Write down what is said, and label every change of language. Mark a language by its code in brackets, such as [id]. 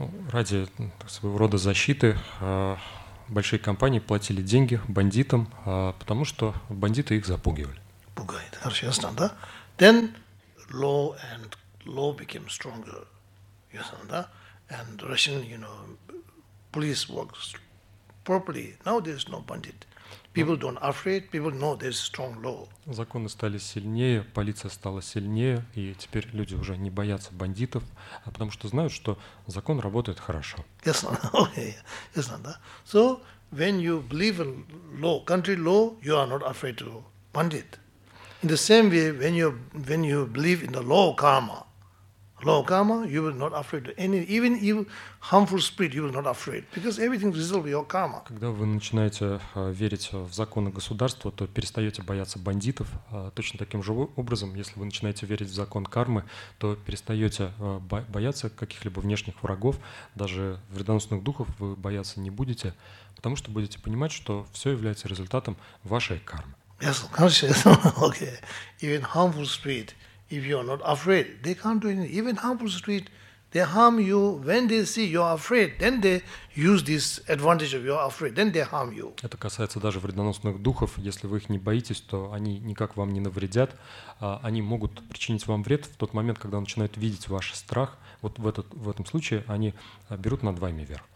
[ru] Ради своего рода защиты большие компании платили деньги бандитам, потому что бандиты их запугивали. Пугает. Хорошо, ясно, да? [en] Then law and law became stronger, you understand that? And Russian, police works properly. Now there's no bandit. People don't afraid. People know there's strong law. [ru] Законы стали сильнее, полиция стала сильнее, и теперь люди уже не боятся бандитов, а потому что знают, что закон работает хорошо. [en] Yes, okay, yes, that. So when you believe in law, country law, you are not afraid to bandit. In the same way, when you believe in the law of karma, you will not afraid of any even evil, harmful spirit. You will not afraid because everything resolves your karma. [ru] Когда вы начинаете верить в законы государства, то перестаете бояться бандитов. Точно таким же образом, если вы начинаете верить в закон кармы, то перестаете бояться каких-либо внешних врагов, даже вредоносных духов вы бояться не будете, потому что будете понимать, что все является результатом вашей кармы. [en] Yes, conscious. Okay. Even harmful spirit, if you are not afraid, they can't do anything. Even harmful spirit, they harm you when they see you are afraid. Then they use this advantage of you are afraid. Then they harm you. [ru] Это касается даже вредоносных духов. Если вы их не боитесь, то они никак вам не навредят. Они могут причинить вам вред в тот момент, когда начинают видеть ваш страх. Вот в этом случае они берут над вами верх.